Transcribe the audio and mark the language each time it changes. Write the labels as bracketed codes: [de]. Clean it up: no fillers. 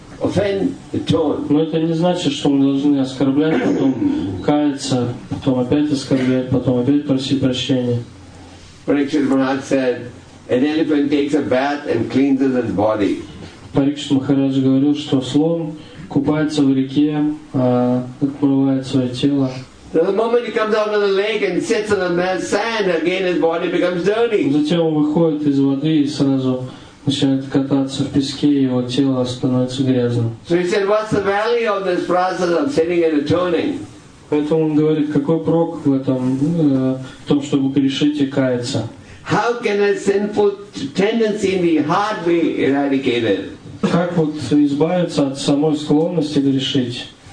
[ru] Но это не значит, что мы должны оскорблять, потом каяться, потом опять оскорблять, потом опять просить прощения. [en] Парикшит Махарадж said, an elephant takes a bath and cleanses its body. [ru] Парикшит Махарадж говорил, что слон купается в реке, отмывает свое тело. [en] So the moment he comes out of the lake and sits on the mat sand, again his body becomes dirty. [ru] Затем он выходит из воды и сразу начинает кататься в песке, и его тело становится грязным. [en] So he said, "What's the value of this process of sitting and atoning?" [ru] Поэтому он говорит, какой прок в этом, в том, чтобы грешить и каяться? [en] How can a sinful tendency in the heart be eradicated? [ru] Как вот избавиться от самой склонности грешить?